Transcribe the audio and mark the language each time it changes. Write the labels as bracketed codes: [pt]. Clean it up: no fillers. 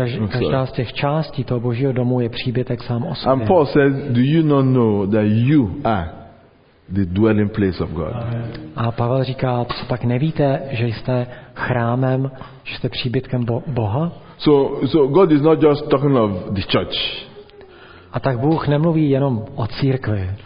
[cs] Každá z těch částí toho Božího domu je příbytek sám o sobě. [en] And Paul says, do you not know that you are the dwelling place of God? [cs] A Pavel říká, co pak nevíte, že jste chrámem, že jste příbytkem Boha? [en] So God is not just talking of the church. [cs] A tak Bůh nemluví jenom o církvi.